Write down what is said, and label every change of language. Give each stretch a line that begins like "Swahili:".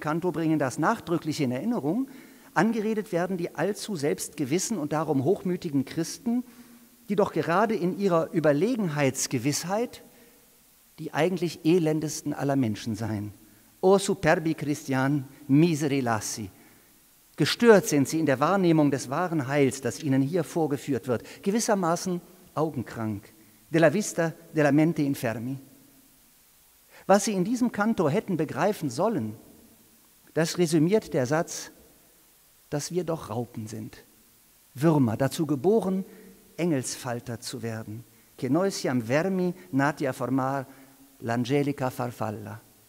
German: Kanto bringen das nachdrücklich in Erinnerung, angeredet werden die allzu selbstgewissen und darum hochmütigen Christen, die doch gerade in ihrer Überlegenheitsgewissheit die eigentlich elendesten aller Menschen seien.
Italian: O superbi Christian, miseri lassi.
German: Gestört sind sie in der Wahrnehmung des wahren Heils, das ihnen hier vorgeführt wird, gewissermaßen augenkrank.
Italian: Della vista, della mente infermi.
German: Was sie in diesem Canto hätten begreifen sollen, das resümiert der Satz, dass wir doch Raupen sind, Würmer, dazu geboren, Engelsfalter zu werden.
Italian: Che noi siam vermi, nati a formar l'angelica farfalla.